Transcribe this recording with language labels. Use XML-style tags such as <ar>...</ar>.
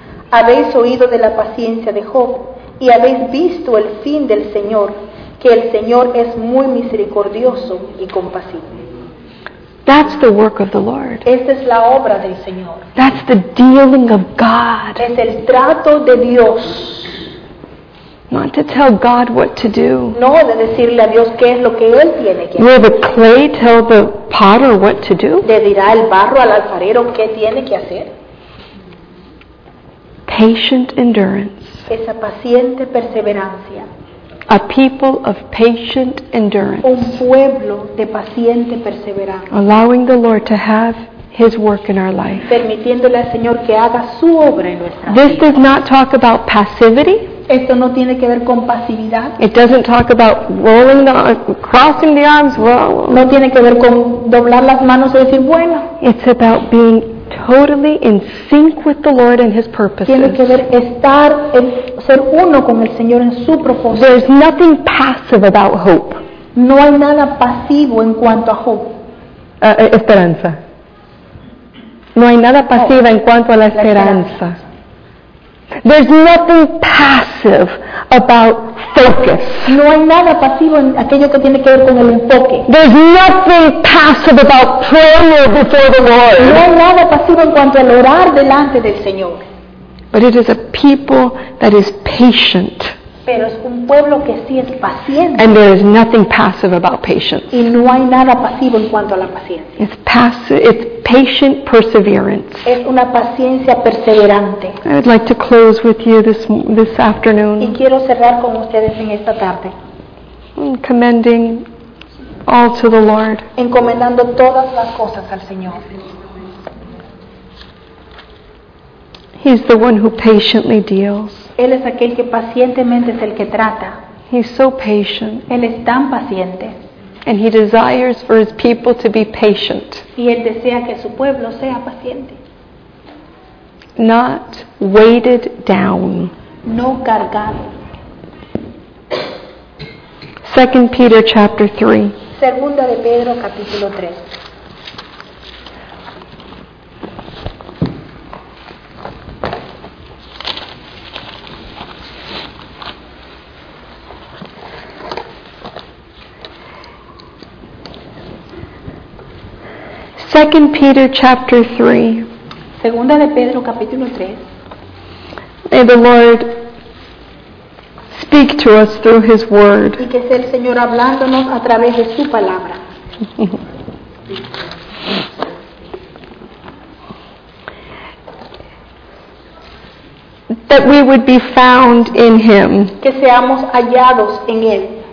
<es>Habéis oído de la paciencia de Job, y habéis visto el fin del Señor, que el Señor es muy misericordioso y compasivo.</es> <en>That's the work of the Lord.</en> <es>Esta es la obra del Señor.</es> <en>That's the dealing of God.</en> <es>Es el trato de Dios.</es> <en>Not to tell God what to do.</en> <es>No de decirle a Dios qué es lo que él tiene que hacer.</es> <en>Will the clay tell the potter what to do?</en> <es>¿Le dirá el barro al alfarero qué tiene que hacer?</es> <en>Patient endurance.</en> <es>Esa paciente perseverancia.</es> <en>A people of patient endurance.</en> <es>Un pueblo de paciente perseverancia.</es> <en>Allowing the Lord to have His work in our life.</en> <es>Permitiéndole al Señor que haga su obra en nuestra vida.</es> <en>This does not talk about passivity.</en> <es>Esto no tiene que ver con pasividad.</es> <en>It doesn't talk about rolling the crossing the arms. Well,</en> <es>no tiene que ver con doblar las manos y decir bueno.</es> <en>It's about being totally in sync with the Lord and His purposes.</en> <es>Tiene que ver estar en ser uno con el Señor en su propósito.</es> <en>There's nothing passive about hope.</en> <es>No hay nada pasivo en cuanto a hope. Esperanza. No hay nada pasiva en cuanto a la esperanza.</es> <en>There's nothing passive about focus.</en> <es>No hay nada pasivo en aquello que tiene que ver con el enfoque.</es> <en>There's nothing passive about prayer before the Lord.</en> <es>No hay nada pasivo en cuanto al orar delante del Señor.</es> <en>But it is a people that is patient.</en> <es>Pero es un pueblo que sí es paciente.</es> <en>And there is nothing passive about patience.</en> <es>Y no hay nada pasivo en cuanto a la paciencia.</es> <en>It's patient perseverance.</en> <es>Es una paciencia perseverante.</es> <en>I would like to close with you this afternoon.</en> <es>Y quiero cerrar con ustedes en esta tarde.</es> <en>Commending all to the Lord.</en> <es>Encomendando todas las cosas al Señor.</es> <en>He's the one who patiently deals.</en> <es>Él es aquel que pacientemente es el que trata.</es> <en>He's so patient.</en> <es>Él es tan paciente.</es> <en>And he desires for his people to be patient.</en> <es>Y él desea que su pueblo sea paciente.</es> <en>Not weighted down.</en> <es>No cargado.</es> <en>2 Peter chapter 3.</en> <es>Segunda de Pedro capítulo 3.</es> <en>2 Peter chapter 3.</en> <es>Segunda de Pedro capítulo 3.</es> <en>May the Lord speak to us through His Word.</en> <es>Y que sea el Señor hablándonos a través de su palabra.</es> <en>That we would be found in Him.</en> <es>Que seamos hallados en Él.</es>